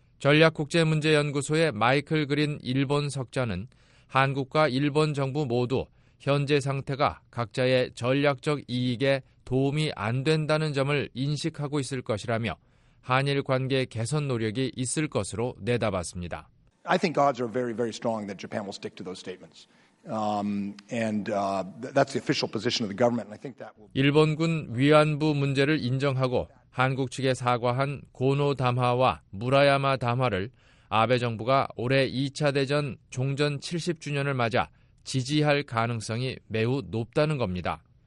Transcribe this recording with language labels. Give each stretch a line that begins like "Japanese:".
Korean: 전략국제문제연구소의 마이클 그린 일본 석좌는 한국과 일본 정부 모두 현재 상태가 각자의 전략적 이익에 도움이 안 된다는 점을 인식하고 있을 것이라며 한일 관계 개선 노력이 있을 것으로 내다봤습니다.
English: I think odds are very, very strong that Japan will stick to those statements. That's the official position of the government. And I think that will.
Korean: 일본군 위안부 문제를 인정하고 한국 측에 사과한 고노 담화와 무라야마 담화를 아베 정부가 올해 2차 대전 종전 70주년을 맞아 지지할 가능성이 매우 높다는 겁니다.